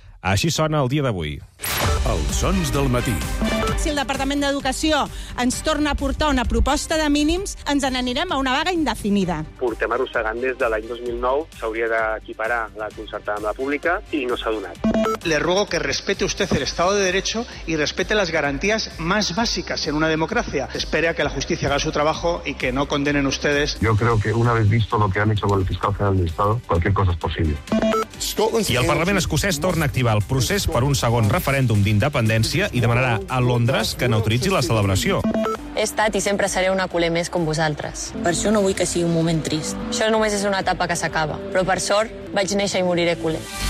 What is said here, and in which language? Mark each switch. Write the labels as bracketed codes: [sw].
[ca] Així sona el dia d'avui. Els sons del matí. Si el Departament d'Educació ens torna a portar una proposta de mínims, ens n'anirem a una vaga indefinida. Portem arrossegant des de l'any 2009. S'hauria d'equiparar la concertada amb la pública i no s'ha donat. [es] Le ruego que respete usted el Estado de Derecho y respete las garantías más básicas en una democracia. Espere a que la justicia haga su trabajo y que no condenen ustedes. Yo creo que una vez visto lo que han hecho con el fiscal general del Estado, cualquier cosa es posible. [ca] I el Parlament escocès torna a activar el procés per un segon referèndum d'independència i demanarà a Londres que n'autoritzi la celebració. He estat i sempre seré una culer més com vosaltres. Per això no vull que sigui un moment trist. Això només és una etapa que s'acaba. Però per sort vaig néixer i moriré culer.